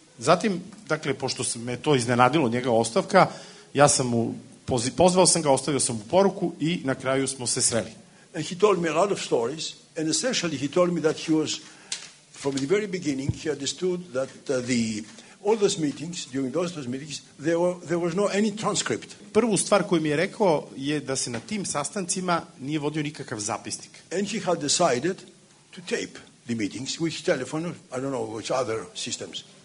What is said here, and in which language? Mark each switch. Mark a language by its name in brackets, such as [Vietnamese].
[Serbian] Zatim, dakle, pošto me to iznenadilo, njega ostavka, ja sam mu pozvao sam ga, ostavio sam mu poruku i na kraju smo se sreli. [English] And he told me a lot of stories And essentially he told me that he was, from the very beginning, he understood that all those meetings, during those meetings, there was no any transcript. [Serbian] Prvu stvar koju mi je rekao je da se na tim sastancima nije vodio nikakav zapisnik. [English] And he had decided to tape the meetings with telephone, I don't know, which other systems.